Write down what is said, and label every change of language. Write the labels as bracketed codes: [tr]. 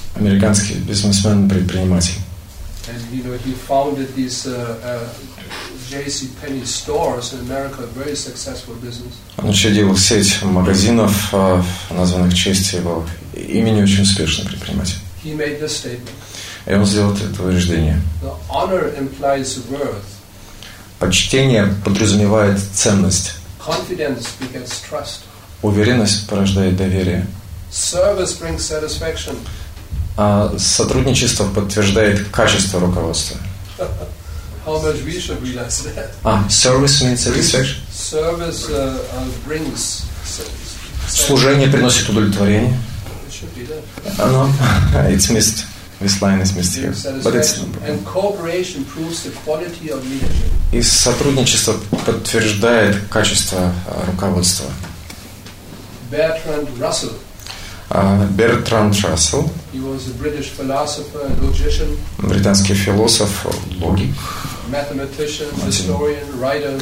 [ru] Американский бизнесмен, предприниматель. [en] And you know, he founded these J.C. Penney stores in America, a very successful business. [ru] Он учредил сеть магазинов, названных в честь его имени, очень успешный предприниматель. [en] He made this statement. [ru] И он сделал это утверждение. [en] The honor implies worth. [ru] Почтение подразумевает ценность. [en] Confidence begets trust. [ru] Уверенность порождает доверие. [en] Service brings satisfaction. [ru] А сотрудничество подтверждает качество руководства. [en] How much we should realize that? Service means satisfaction. Service brings satisfaction. [ru] Служение приносит удовлетворение. [en] It should be that. No, it's missed. This line is missed here. But it's no problem. And cooperation proves the quality of leadership. [ru] И сотрудничество подтверждает качество руководства. [en] Bertrand Russell. [ru] Бертранд Рассел. [en] He was a British philosopher and logician. [ru] Британский философ, логик. [en] Mathematician, historian, writer.